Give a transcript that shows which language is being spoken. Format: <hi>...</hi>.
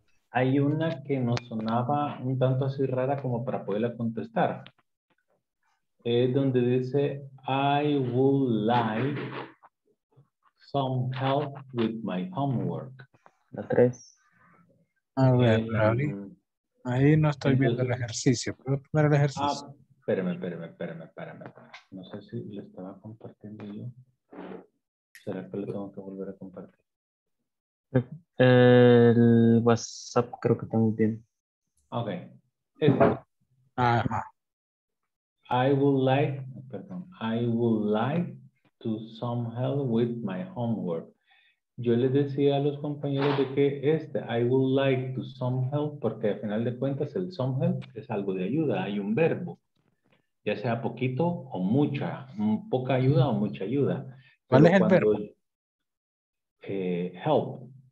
<es>Hay una que nos sonaba un tanto así rara como para poderla contestar. Es donde dice,</es> <en>I would like some help with my homework.</en> <es>La 3. A ver, ahí no estoy viendo el ejercicio. ¿Puedo poner el ejercicio? Ah, espérame. No sé si lo estaba compartiendo yo. ¿Será que lo tengo que volver a compartir? El WhatsApp creo que tengo bien. Ok. Este. Ajá.</es> <en>I would like to some help with my homework.</en> <es>Yo les decía a los compañeros de que este,</es> <en>I would like to some help,</en> <es>porque al final de cuentas el</es> <en>some help</en> <es>es algo de ayuda, hay un verbo, ya sea poquito o mucha, poca ayuda o mucha ayuda. ¿Cuál es el verbo?</es> <en>Help.</en>